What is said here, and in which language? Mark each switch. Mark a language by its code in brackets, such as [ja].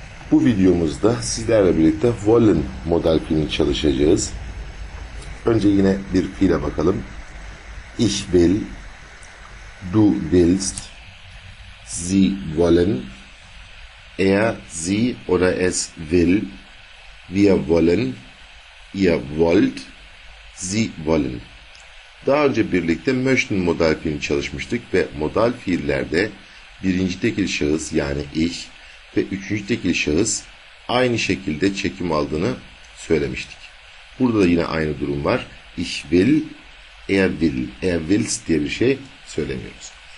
[tr] Bu videomuzda sizlerle birlikte Wallen model fiilini çalışacağız. Önce yine bir fiile bakalım. [de] Ich will, du willst, sie wollen, er, sie oder es will, wir wollen, ihr wollt, sie wollen. [tr] Daha önce birlikte Möchten model fiilini çalışmıştık ve model fiillerde birinci tekil şahıs yani ich ve üçüncü tekil şahıs aynı şekilde çekim aldığını söylemiştik. Burada da yine aynı durum var. [de] Ich will, er will, er willst [tr] diye bir şey söylemiyoruz.